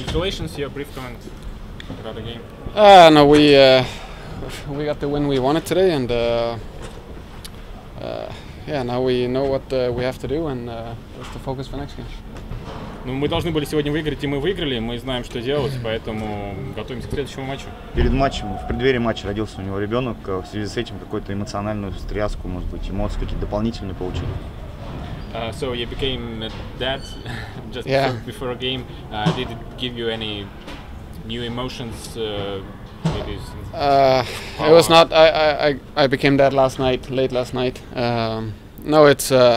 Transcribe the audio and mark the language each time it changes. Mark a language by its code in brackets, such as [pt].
[en] Congratulations, your brief comment about the game. No, we got the win we wanted today, and yeah, now we know what we have to do, and just to focus for next game. [ru] Ну, мы должны были сегодня выиграть, и мы выиграли. Мы знаем, что делать, поэтому готовимся к следующему матчу. Перед матчем, в преддверии матча родился у него ребенок. В связи с этим какую-то эмоциональную встряску, может быть, эмоции какие-то дополнительные получили. [en] So you became a dad just yeah. before a game. Did it give you any new emotions? Maybe. It was not. I became dad last night, late last night. No, it's.